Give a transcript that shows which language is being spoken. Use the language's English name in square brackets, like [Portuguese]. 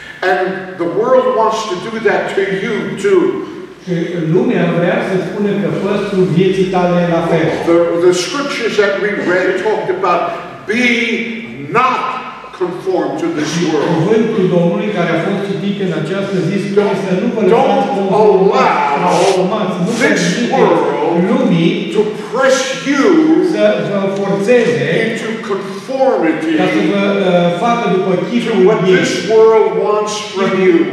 [English] And the world wants to do that to you too. [Romanian] Și lumea vrea să spună că fostul vieții tale la fel. [English] The scriptures that we read talked about be not conformed to this world. [Romanian] Cuvântul Domnului care a fost citit în această zi spune să nu vă lăsați [English] this world [Romanian] lumii [English] to press you [Romanian] să vă forțeze [English] into conformity [Romanian] ca să vă facă după chipul [English] to what this world wants from you.